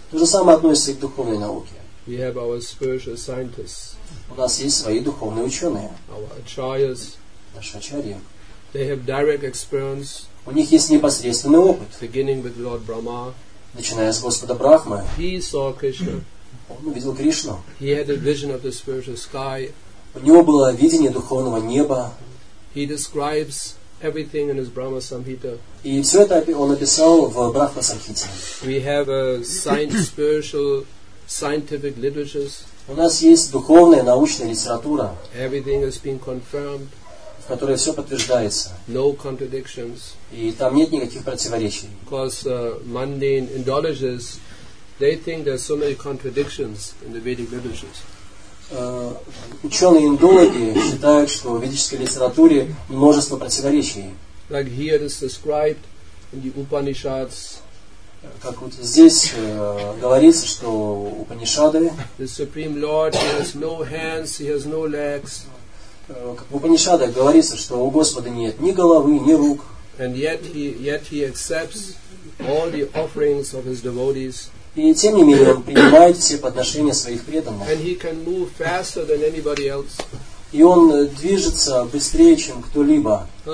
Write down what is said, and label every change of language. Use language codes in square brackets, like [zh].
[ru] То же самое относится и к духовной науке. [en] We have our spiritual scientists. [ru] У нас есть свои духовные ученые. [en] Our acharyas. [ru] Наши ачарьи. [en] They have direct experience. [ru] У них есть непосредственный опыт. [en] Beginning with Lord Brahma. [ru] Начиная с Господа Брахмы. [en] He saw Krishna. [ru] Он увидел Кришну. [en] He had a vision of the spiritual sky. [ru] У него было видение духовного неба. [en] He describes everything in his Brahma Samhita. [ru] И все это он описал в Брахма Самхите. [en] We have a spiritual scientific literatures. [ru] У нас есть духовная научная литература. [en] Everything has been confirmed. [ru] В которой все подтверждается. [en] No contradictions. [ru] И там нет никаких противоречий. [en] Because mundane indologists, they think there are so many contradictions in the Vedic literatures. [ru] Ученые-индологи считают, что в ведической литературе множество противоречий. [en] Like here is described in the Upanishads. [ru] Как вот здесь говорится, что Упанишады. [en] The Supreme Lord, he has no hands, he has no legs. [ru] Как в Упанишадах говорится, что у Господа нет ни головы, ни рук. [en] And yet he accepts all the offerings of his devotees. [ru] И тем не менее, он принимает все подношения своих преданных. И он движется быстрее, чем кто-либо.